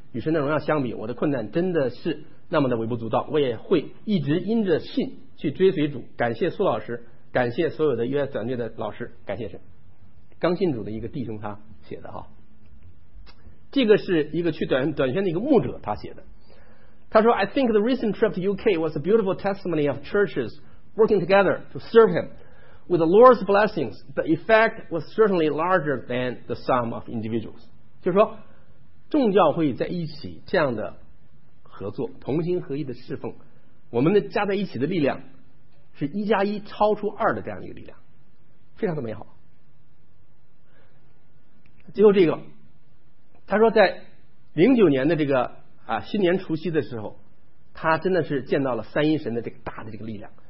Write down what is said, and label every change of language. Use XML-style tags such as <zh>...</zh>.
<zh>与神的荣耀相比，我的困难真的是那么的微不足道。我也会一直因着信去追随主。感谢苏老师，感谢所有的 US 团队的老师，感谢神。刚信主的一个弟兄他写的哈，这个是一个去短宣的一个牧者他写的。</zh> <en>他说 I think the recent trip to UK was a beautiful testimony of churches working together to serve him. With the Lord's blessings, the effect was certainly larger than the sum of individuals.</en> <zh>就是说众教会在一起这样的合作，同心合意的侍奉，我们的加在一起的力量是一加一超出二的这样一个力量，非常的美好。最后这个他说在09年的这个啊，新年除夕的时候，他真的是见到了三一神的这个大的这个力量。</zh>